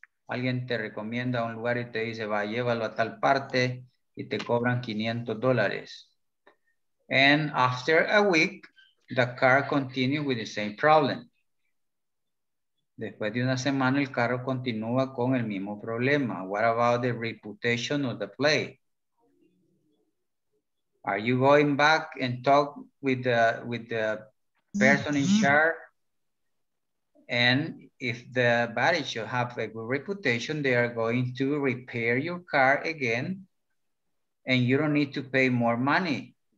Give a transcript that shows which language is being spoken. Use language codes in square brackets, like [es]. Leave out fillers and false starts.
[es] Alguien te recomienda un lugar y te dice, va, llévalo a tal parte y te cobran $500. [en] And after a week, the car continues with the same problem. [es] Después de una semana, el carro continúa con el mismo problema. [en] What about the reputation of the place? Are you going back and talk with the person in charge? And if the body should have a good reputation, they are going to repair your car again, and you don't need to pay more money.